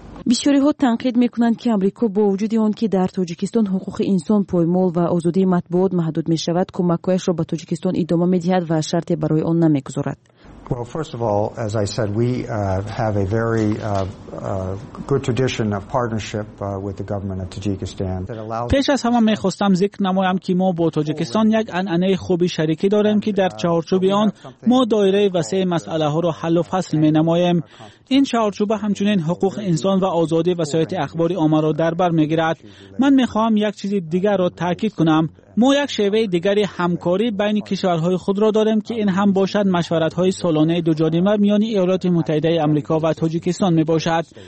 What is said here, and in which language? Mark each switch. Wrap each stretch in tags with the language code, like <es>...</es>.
<fa>بسیاری ها تنقید میکنند که آمریکا با وجود آن که در تاجیکستان حقوق انسان، پایمال و آزادی مطبوعات محدود میشود، کمک‌هایش را به تاجیکستان ادامه میدهد و شرطی برای آن نمیگذارد.</fa> <en>Well, first of all, as I said, we have a very good tradition of partnership with the government of Tajikistan.</en> <fa>پیش از همه می‌خواستم ذکر نمایم که ما با تاجیکستان یک عنعنه خوبی شریکی داریم که در چهارچوب آن ما دایره وسیع مسئله ها را حل و فصل می‌نماییم. این چهارچوبه همچنین حقوق انسان و آزادی وسایل اخباری آمار را در بر می‌گیرد. من می‌خواهم یک چیز دیگر را تاکید کنم. ما یک شیوه دیگری همکاری بین کشورهای خود را داریم که این هم باشد مشورت‌های سالانه دو جانبه میان ایالات متحده آمریکا و تاجیکستان میباشد.</fa>